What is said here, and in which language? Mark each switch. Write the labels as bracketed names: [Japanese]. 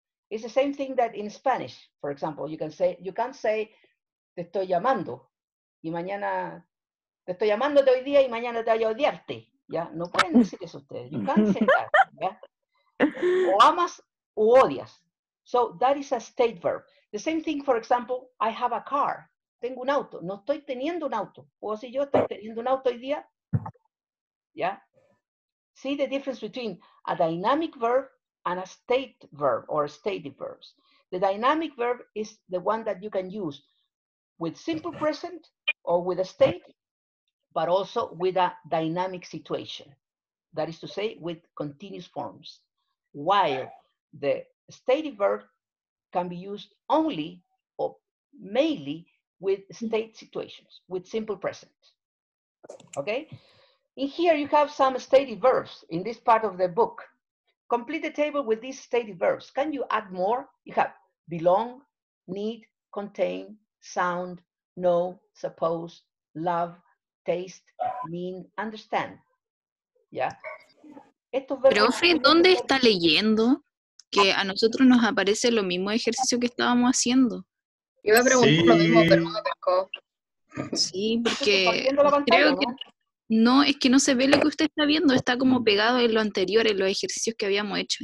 [English] It's the same thing that in Spanish, for example, you can say, [Spanish] te estoy llamando, y mañana, te estoy llamando de hoy día y mañana te voy a odiarte. [English] ¿Ya? [Spanish] No pueden decir eso ustedes. [English] You can't say that. [Spanish] ¿Ya? O amas o odias. [English] So that is a state verb. The same thing, for example, I have a car. [Spanish] Tengo un auto. No estoy teniendo un auto. O si yo estoy teniendo un auto hoy día. ¿Ya? [English] See the difference between a dynamic verb and a state verb or stative verbs. The dynamic verb is the one that you can use with simple present or with a state, but also with a dynamic situation. That is to say, with continuous forms. While the stative verb can be used only or mainly with state situations, with simple present, okay? In here, you have some stative verbs in this part of the book. Complete the table with these stative verbs. Can you add more? You have belong, need, contain, sound, know, suppose, love, taste, mean, understand. Yeah. [Spanish] Profe, ¿dónde está leyendo? Que a nosotros nos aparece lo mismo ejercicio que estábamos haciendo. Yo iba a preguntar lo mismo, pero no me acercó. Sí, porque creo que... No, es que no se ve lo que usted está viendo. Está como pegado en lo anterior, en los ejercicios que habíamos hecho.